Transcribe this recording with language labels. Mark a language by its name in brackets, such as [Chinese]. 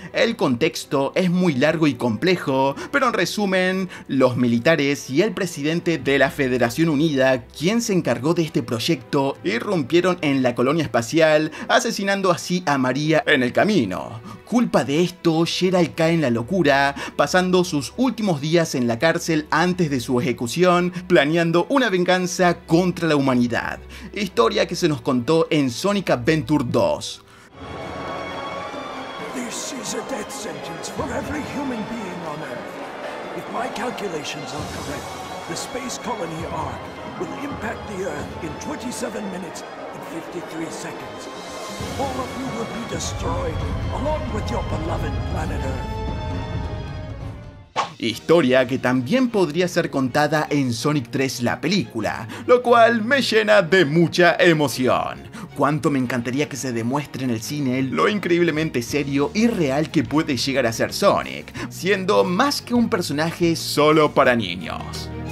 [Spanish] El contexto es muy largo y complejo, pero en resumen, los militares y el presidente de la Federación Unida, quien se encargó de este proyecto, irrumpieron en la colonia espacial, asesinando así a María en el camino. Culpa de esto, Gerald cae en la locura, pasando sus últimos días en la cárcel antes de su ejecución, planeando una venganza contra la humanidad. Historia que se nos contó en Sonic Adventure 2. [English] This is a death sentence for every human being on Earth. If my calculations are correct, the space colony Ark will impact the Earth in 27 minutes and 53 seconds. All of you will be destroyed, along with your beloved planet Earth. [Spanish] Historia que también podría ser contada en Sonic 3 la película, lo cual me llena de mucha emoción. Cuánto me encantaría que se demuestre en el cine lo increíblemente serio y real que puede llegar a ser Sonic, siendo más que un personaje solo para niños.